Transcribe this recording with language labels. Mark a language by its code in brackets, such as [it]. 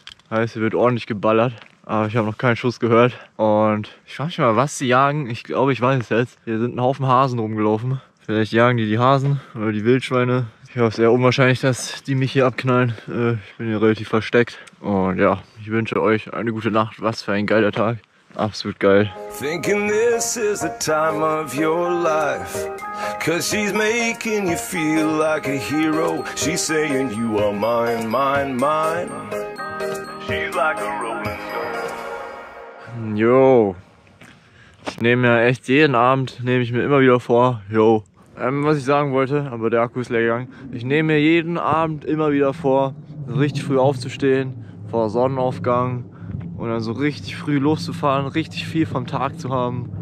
[de] Heißt, hier wird ordentlich geballert. Aber ich habe noch keinen Schuss gehört. Und ich frage mich mal, was sie jagen. Ich glaube, ich weiß es jetzt. Hier sind ein Haufen Hasen rumgelaufen. Vielleicht jagen die Hasen oder die Wildschweine. Ich hoffe es eher unwahrscheinlich, dass die mich hier abknallen. Ich bin hier relativ versteckt. Und ja, ich wünsche euch eine gute Nacht. Was für ein geiler Tag. Absolut geil. [en] Thinking this is the time of your life. Cause she's making you feel like a hero. She's saying you are mine, mine, mine. She's like a rolling stone. Yo. [de] Ich nehme ja echt jeden Abend, nehme ich mir immer wieder vor, yo. Was ich sagen wollte, aber der Akku ist leer gegangen. Ich nehme mir jeden Abend immer wieder vor, richtig früh aufzustehen, vor Sonnenaufgang und dann so richtig früh loszufahren, richtig viel vom Tag zu haben.